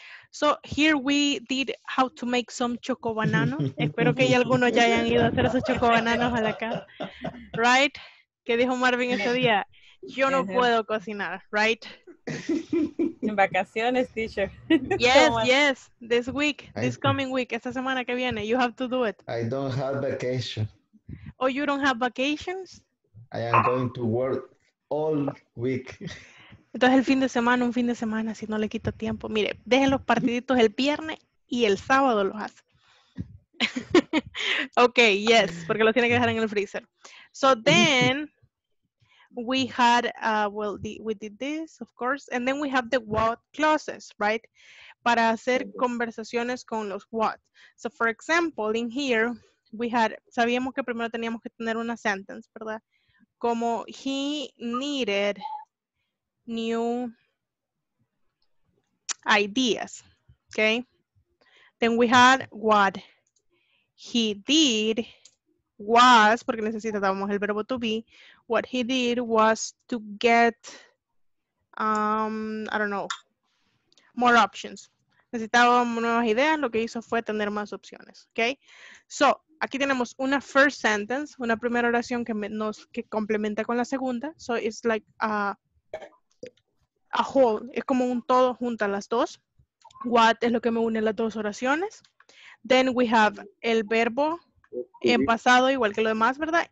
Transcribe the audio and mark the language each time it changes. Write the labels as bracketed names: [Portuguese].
[English] So, here we did how to make some chocobananos. [Spanish] Espero que ya algunos ya hayan ido a hacer esos chocobananos a la casa. Right? ¿Qué dijo Marvin ese día? Yo no puedo cocinar, right? En vacaciones, teacher. [English] Yes, yes. This week, this coming week, [Spanish] esta semana que viene, [English] you have to do it. I don't have vacation. Oh, you don't have vacations? I am going to work all week. [Spanish] Entonces el fin de semana, un fin de semana, si no le quita tiempo. Mire, dejen los partiditos el viernes y el sábado los hace. Okay, yes, porque los tiene que dejar en el freezer. [English] So then, we had, we did this, of course, and then we have the what clauses, right? [Spanish] Para hacer conversaciones con los what. So for example, in here, [English] we had, [Spanish] sabíamos que primero teníamos que tener una sentence, ¿verdad? [English] Como he needed new ideas, okay? Then we had what he did was, [Spanish] porque necesitábamos el verbo [English] to be, what he did was to get, I don't know, more options. [Spanish] Necesitábamos nuevas ideas, lo que hizo fue tener más opciones, okay? So, aquí tenemos una [English] first sentence, [Spanish] una primera oración que complementa con la segunda. So, [English] it's like a whole, [Spanish] es como un todo junto a las dos. What es lo que me une las dos oraciones. [English] Then we have [Spanish] el verbo en pasado, igual que lo demás, ¿verdad?